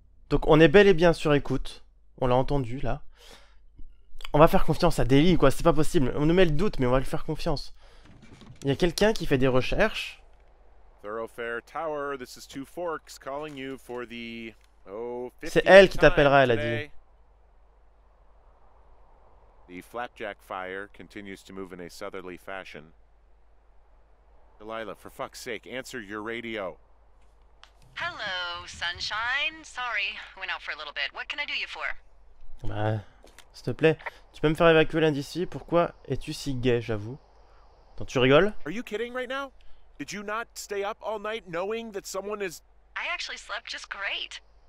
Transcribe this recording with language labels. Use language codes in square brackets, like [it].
[fr] Donc on est bel et bien sur écoute. On l'a entendu, là. On va faire confiance à Deli, quoi. C'est pas possible. On nous met le doute, mais on va lui faire confiance. Il y a quelqu'un qui fait des recherches. [en] Thoroughfare Tower, this is Two Forks calling you for the... Oh, [fr] c'est elle qui t'appellera, elle a dit. [en] The Flapjack Fire continues to move in a southerly fashion. Delilah, for fuck's sake, answer your radio. Hello, sunshine. Sorry, went out for a little bit. What can I do you for? [fr] Bah, s'il te plaît, tu peux me faire évacuer l'un d'ici? Pourquoi es-tu si gay, j'avoue? Attends, tu rigoles? [en] Are you kidding right now? Did you not stay up all night knowing that someone is... I actually slept just great.